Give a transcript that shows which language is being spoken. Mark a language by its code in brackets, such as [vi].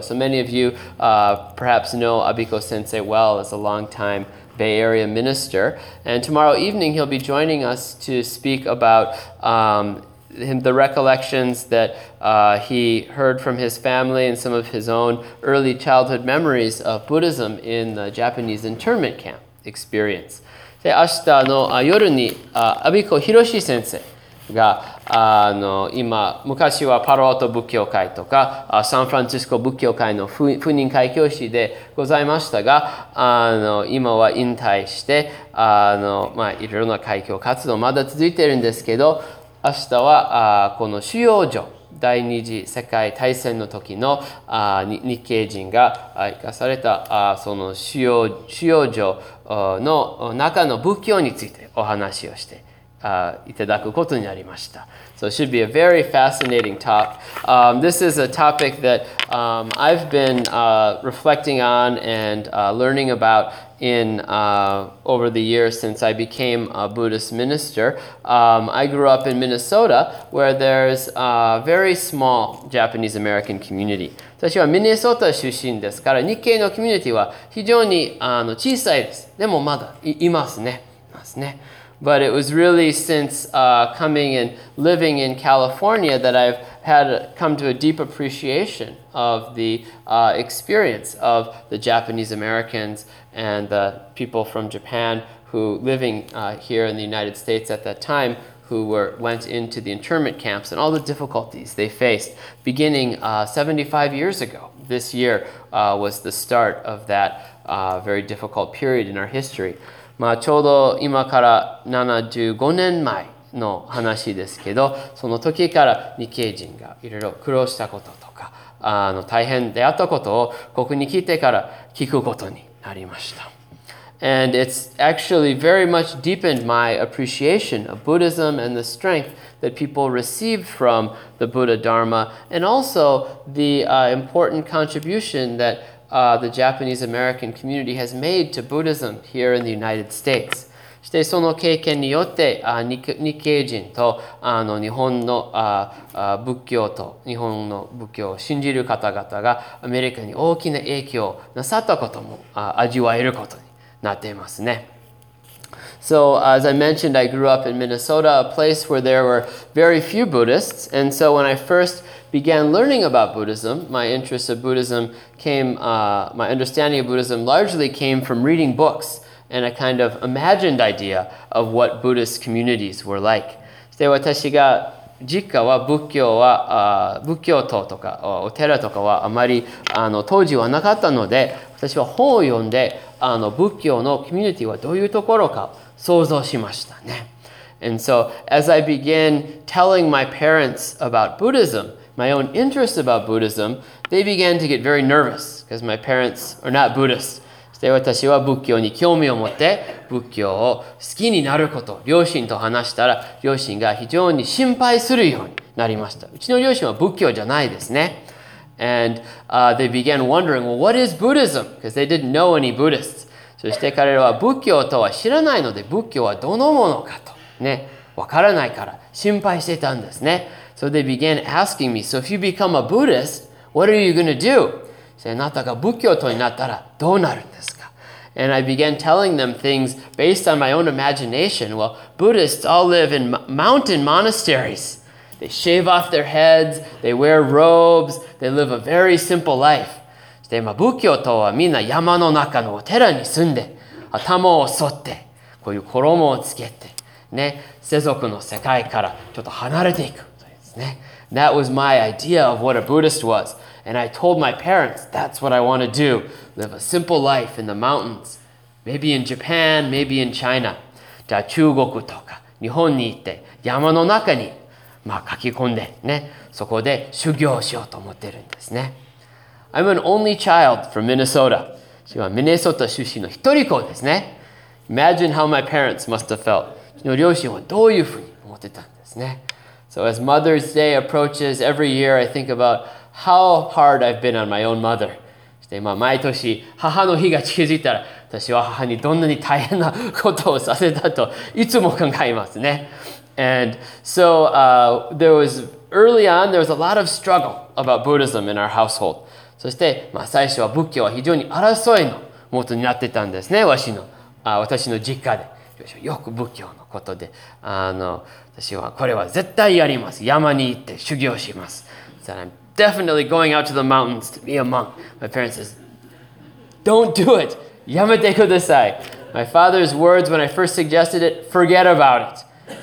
[en] So many of you perhaps know Abiko Sensei well as a longtime Bay Area minister. And tomorrow evening he'll be joining us to speak about the recollections that he heard from his family and some of his own early childhood memories of Buddhism in the Japanese internment camp experience. [ja] で、明日の夜に、阿比古博士先生が、今、昔はパロアト仏教会とか、サンフランシスコ仏教会の赴任会教師でございましたが、今は引退して、いろいろな会教活動まだ続いているんですけど、明日は、この収容所、第二次世界大戦の時の日系人が生かされた、その収容所の中の仏教についてお話をして、いただくことになりました。 [en] So it should be a very fascinating talk. This is a topic that I've been reflecting on and learning about in over the years since I became a Buddhist minister. I grew up in Minnesota, where there's a very small Japanese American community. [ja] 私はミネソタ出身ですから、日系のコミュニティは非常に小さいです。でもまだいますね。 [en] But it was really since coming and living in California that I've had come to a deep appreciation of the experience of the Japanese Americans and the people from Japan who living here in the United States at that time who went into the internment camps and all the difficulties they faced beginning 75 years ago. This year was the start of that very difficult period in our history. [ja] まあ、ちょうど今から75年前の話ですけど、その時から日系人がいろいろ苦労したこととか、大変であったことをここに来てから聞くことになりました。 [en] And it's actually very much deepened my appreciation of Buddhism and the strength that people received from the Buddha Dharma, and also the important contribution thatthe Japanese American community has made to Buddhism here in the United States. [ja] してその経験によって日系人と日本の仏教と日本の仏教を信じる方々がアメリカに大きな影響をなさったことも味わえることになっていますね。 [en] So as I mentioned, I grew up in Minnesota, a place where there were very few Buddhists. And so when I first began learning about Buddhism, my interest of Buddhism came, my understanding of Buddhism largely came from reading books and a kind of imagined idea of what Buddhist communities were like. [ja] で、私が実家は仏教は、仏教徒とかお寺とかはあまり当時はなかったので、私は本を読んで仏教のコミュニティはどういうところか想像しましたね。 [en] And so, as I began telling my parents about Buddhism, my own interest about Buddhism, they began to get very nervous, because my parents are not Buddhists. [ja] で、私は仏教に興味を持って、仏教を好きになること、両親と話したら、両親が非常に心配するようになりました。うちの両親は仏教じゃないですね。 [en] And they began wondering, well, what is Buddhism? Because they didn't know any Buddhists. [ja] そして彼らは仏教とは知らないので、仏教はどのものかとね、わからないから心配していたんですね。 [en] So they began asking me, so if you become a Buddhist, what are you going to do? [ja] あなたが仏教徒になったらどうなるんですか? [en] And I began telling them things based on my own imagination. Well, Buddhists all live in mountain monasteries. They shave off their heads, they wear robes, they live a very simple life. [ja] で、まあ、仏教徒はみんな山の中のお寺に住んで、頭を剃って、こういう衣をつけて、ね、世俗の世界からちょっと離れていく。 [en] ね、That was my idea of what a Buddhist was. And I told my parents, that's what I want to do. Live a simple life in the mountains. Maybe in Japan, maybe in China. [ja] じゃあ中国とか日本に行って山の中に、まあ、書き込んで、ね、そこで修行しようと思ってるんですね。 [en] I'm an only child from Minnesota. [ja] 私はミネソタ出身の一人子ですね。 [en] Imagine how my parents must have felt. [ja] 私の両親はどういうふうに思ってたんですね。 [en] So as Mother's Day approaches every year, I think about how hard I've been on my own mother. [ja] して、まあ、毎年母の日が近づいたら、私は母にどんなに大変なことをさせたといつも考えますね。 [en] And so, there was, early on, there was a lot of struggle about Buddhism in our household. [ja] そして、まあ、最初は仏教は非常に争いのもとになってたんですね。私の実家で。よく仏教のことで、私はこれは絶対やります。山に行って修行します。 [en] So I'm definitely going out to the mountains to be a monk. My parents says, don't do it. [ja] やめてください。 [en] My father's words when I first suggested it, forget about it.